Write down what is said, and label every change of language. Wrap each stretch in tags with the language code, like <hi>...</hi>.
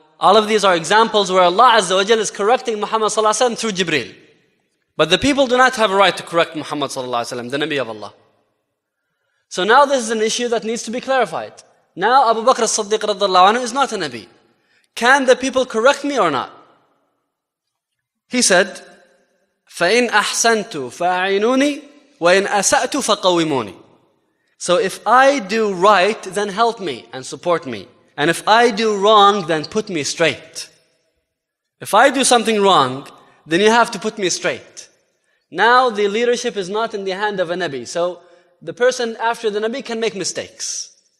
<en>All of these are examples where Allah Azza wa Jal is correcting Muhammad Sallallahu Alaihi Wasallam through Jibreel. But the people do not have a right to correct Muhammad Sallallahu Alaihi Wasallam, the Nabi of Allah. So now this is an issue that needs to be clarified. Now Abu Bakr as-Siddiq radiallahu anhu is not a Nabi. Can the people correct me or not? He said,</en> <ar>فَإِنْ أَحْسَنْتُ فَأَعِنُونِي وَإِنْ أَسَأْتُ فَقَوِّمُونِي.</ar> <en>So if I do right, then help me and support me. And if I do wrong, then put me straight. If I do something wrong, then you have to put me straight. Now the leadership is not in the hand of a Nabi. So the person after the Nabi can make mistakes.</en>